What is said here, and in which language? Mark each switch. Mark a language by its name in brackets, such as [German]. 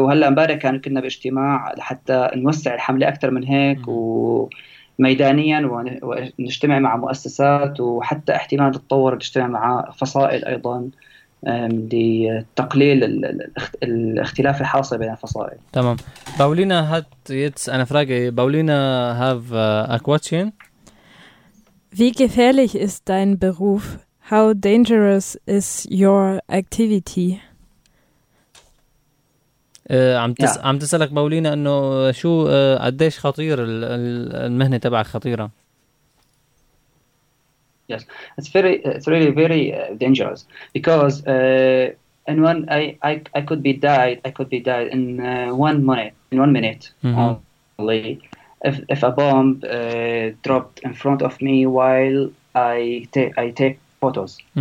[Arabic] وهلأ امبارح كان كنا باجتماع لحتى نوسع الحملة أكثر من هيك، وميدانيا ونجتمع مع مؤسسات، وحتى احتمال تتطور نجتمع مع فصائل أيضا لتقليل الاختلاف الحاصل بين الفصائل. تمام. [English] Paulina هات يتس انا فراغي باولينا هاف ا كويتشن. [German] Wie gefährlich ist dein Beruf? [English] How dangerous is your activity? [Arabic] عم تسألك باولينا انه شو قديش خطير المهنة تبعك، خطيرة؟ [English] Yes, it's really very dangerous because in one I could be died, I could be died in 1 minute, in 1 minute only, if a bomb dropped in front of me while I take photos.